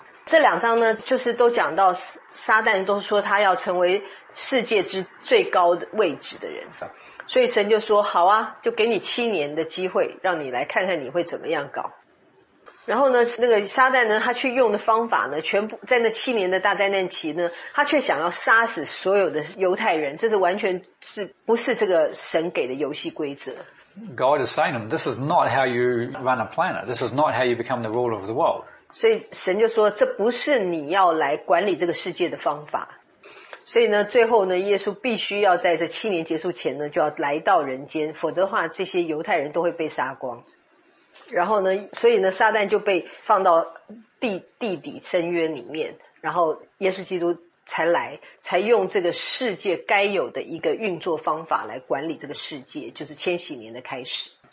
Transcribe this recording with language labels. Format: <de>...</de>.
<zh>这两章呢，就是都讲到撒旦都说他要成为世界之最高位置的人，所以神就说好啊，就给你七年的机会，让你来看看你会怎么样搞。然后呢，那个撒旦呢，他去用的方法呢，全部在那七年的大灾难期呢，他却想要杀死所有的犹太人，这是完全是不是这个神给的游戏规则。</zh> <en>God is saying to him, this is not how you run a planet. This is not how you become the ruler of the world.</en> <zh>所以神就说，这不是你要来管理这个世界的方法。所以呢，最后呢，耶稣必须要在这七年结束前呢，就要来到人间，否则的话，这些犹太人都会被杀光。然后呢，所以呢，撒旦就被放到地底深渊里面，然后耶稣基督才来，才用这个世界该有的一个运作方法来管理这个世界，就是千禧年的开始。</zh>